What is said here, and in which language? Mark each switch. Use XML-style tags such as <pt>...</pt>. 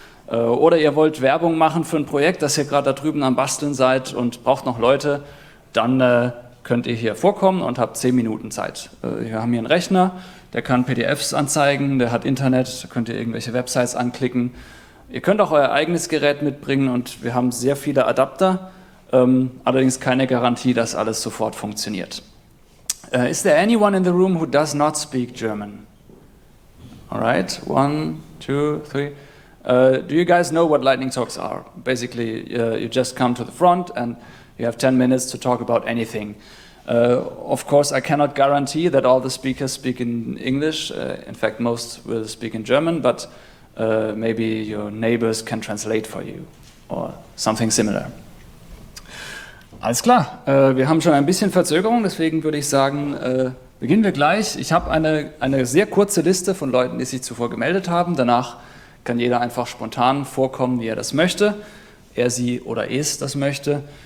<de>Oder ihr wollt Werbung machen für ein Projekt, das ihr gerade da drüben am Basteln seid und braucht noch Leute, dann könnt ihr hier vorkommen und habt 10 Minuten Zeit. Wir haben hier einen Rechner, der kann PDFs anzeigen, der hat Internet, könnt ihr irgendwelche Websites anklicken. Ihr könnt auch euer eigenes Gerät mitbringen und wir haben sehr viele Adapter. Allerdings keine Garantie, dass alles sofort funktioniert.</de> <en>Is there anyone in the room who does not speak German? All right, 1, 2, 3. Do you guys know what lightning talks are? Basically, you just come to the front and you have 10 minutes to talk about anything. Of course, I cannot guarantee that all the speakers speak in English. In fact, most will speak in German, but maybe your neighbors can translate for you or something similar.</en> <de>Alles klar, wir haben schon ein bisschen Verzögerung, deswegen würde ich sagen, beginnen wir gleich. Ich habe eine sehr kurze Liste von Leuten, die sich zuvor gemeldet haben. Danach kann jeder einfach spontan vorkommen, wie er das möchte, er, sie oder es das möchte.</de>